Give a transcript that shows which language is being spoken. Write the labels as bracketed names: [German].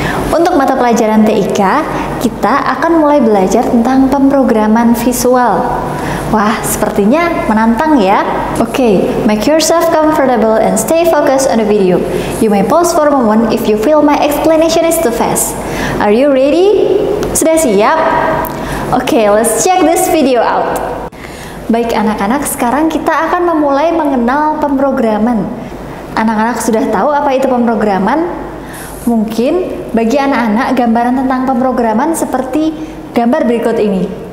[Indonesian] Untuk mata pelajaran TIK, kita akan mulai belajar tentang pemrograman visual. Wah, sepertinya menantang ya. [English] Okay, make yourself comfortable and stay focused on the video. You may pause for a moment if you feel my explanation is too fast. Are you ready? [Indonesian] Sudah siap? [English] Okay, let's check this video out. [Indonesian] Baik anak-anak, sekarang kita akan memulai mengenal pemrograman. Anak-anak sudah tahu apa itu pemrograman? Mungkin bagi anak-anak gambaran tentang pemrograman seperti gambar berikut ini.